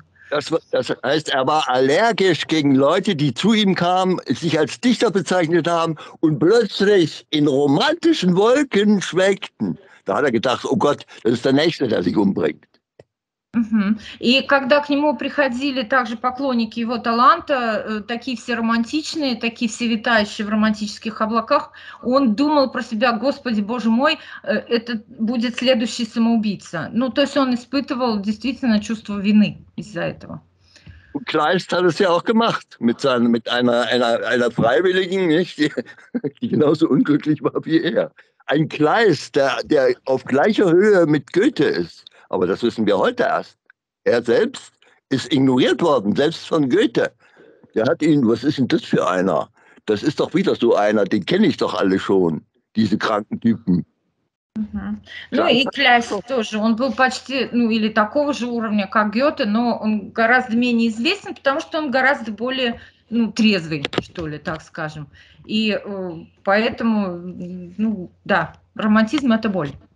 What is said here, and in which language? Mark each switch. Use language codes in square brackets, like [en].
[de] Das heißt, er war allergisch gegen Leute, die zu ihm kamen, sich als Dichter bezeichnet haben und plötzlich in romantischen Wolken schwelgten. Da hat er gedacht, oh Gott, das ist der Nächste, der sich umbringt. [ru] И когда к нему приходили также поклонники его таланта, такие все романтичные, такие все витающие в романтических облаках, он думал про себя: «Господи, Боже мой, это будет следующий самоубийца». Ну, то есть он испытывал действительно чувство вины из-за этого. [de] Kleist hat es ja auch gemacht mit einer Freiwilligen, nicht? Die genauso unglücklich war wie er. Ein Kleist, der auf gleicher Höhe mit Goethe ist. Aber das wissen wir heute erst. Er selbst ist ignoriert worden, selbst von Goethe. Der hat ihn, was ist denn das für einer? Das ist doch wieder so einer, den kenne ich doch alle schon, diese kranken Typen. Mhm. Ja. [ru] Ну и Кляйст тоже, он был почти, ну или такого же уровня, как Гёте, но он гораздо менее известен, потому что он гораздо более, ну, трезвый, что ли, так скажем. И поэтому, ну да, романтизм – это боль.